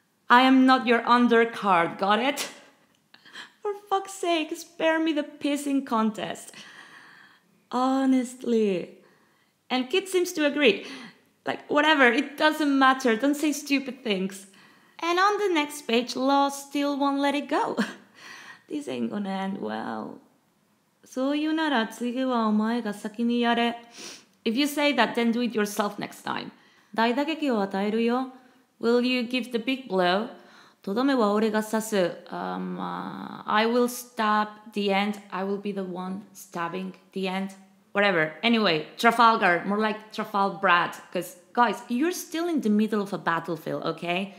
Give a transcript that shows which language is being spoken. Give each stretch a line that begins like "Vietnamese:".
English: I am not your undercard, got it? For fuck's sake, spare me the pissing contest. Honestly. And Kid seems to agree. Like, whatever, it doesn't matter, don't say stupid things. And on the next page, Law still won't let it go. This ain't gonna end well.
Japanese: そういうなら次はお前が先にやれ.
English: If you say that, then do it yourself next time.
Japanese: 大打撃を与えるよ.
English: Will you give the big blow?
Japanese: とどめは俺が刺す.
English: I will stab the end. I will be the one stabbing the end. Whatever. Anyway, Trafalgar, more like TrafalBRAT, because... guys, you're still in the middle of a battlefield, okay?